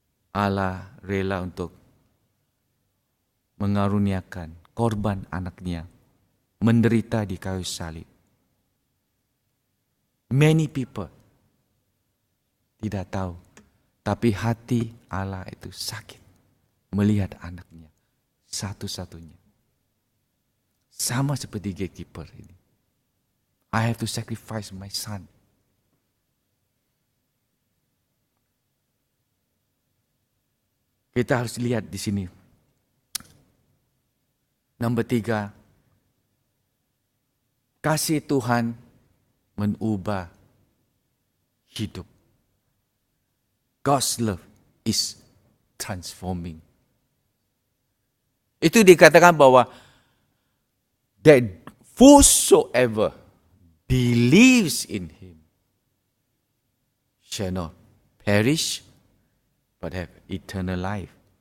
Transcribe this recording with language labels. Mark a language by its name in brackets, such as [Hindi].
[Indonesian] Allah rela untuk mengaruniakan korban anaknya menderita di kayu salib. [English] Many people [Indonesian] tidak tahu, tapi hati Allah itu sakit melihat anaknya satu-satunya. Sama seperti gatekeeper ini. [English] I have to sacrifice my son. [Indonesian] Kita harus lihat di sini. Nomor tiga, kasih Tuhan mengubah hidup. [English] God's love is transforming. [Indonesian] Itu dikatakan bahwa [English] that whosoever believes in him shall not perish but have eternal life.